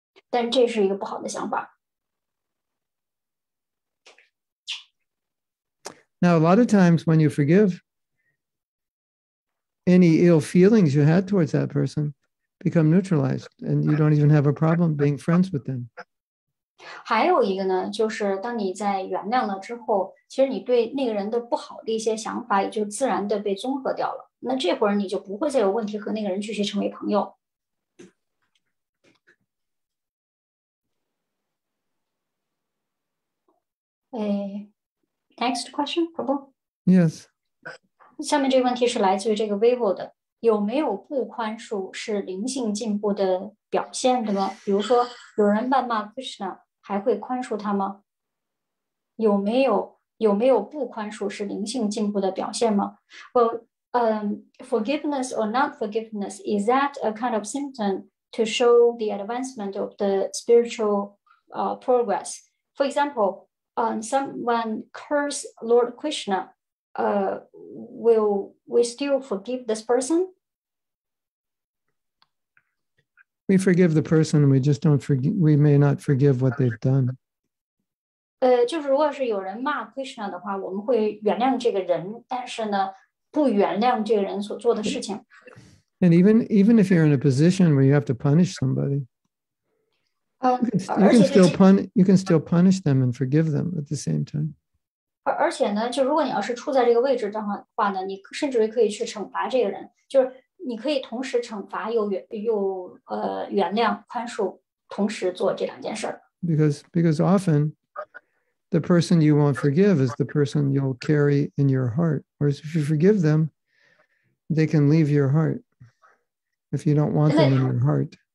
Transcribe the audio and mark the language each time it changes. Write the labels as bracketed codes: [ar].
[zh] 但这是一个不好的想法。 [en] Now, a lot of times when you forgive any ill feelings you had towards that person become neutralized and you don't even have a problem being friends with them. [zh] 还有一个呢，就是当你在原谅了之后，其实你对那个人的不好的一些想法也就自然的被综合掉了。那这会儿你就不会再有问题和那个人继续成为朋友。 [en] Next question, Prabhu? Yes. [zh] 下面这个问题是来自于这个Vivo的，有没有不宽恕是灵性进步的表现的吗？比如说有人谩骂 Krishna 还会宽恕他吗？有没有不宽恕是灵性进步的表现吗？ [en] Well, forgiveness or not forgiveness, is that a kind of symptom to show the advancement of the spiritual progress? For example, someone curse Lord Krishna, will we still forgive this person? We forgive the person, we just don't forgive, we may not forgive what they've done. [zh] 就是如果是有人骂 Krishna 的话，我们会原谅这个人，但是呢，不原谅这个人所做的事情。 [en] And even if you're in a position where you have to punish somebody, You can still punish them and forgive them at the same time. [zh] 而且呢，就如果你要是处在这个位置的话呢，你甚至于可以去惩罚这个人，就是你可以同时惩罚又原谅宽恕，同时做这两件事。 [en] Because often the person you won't forgive is the person you'll carry in your heart. Whereas if you forgive them, they can leave your heart if you don't want them in your heart.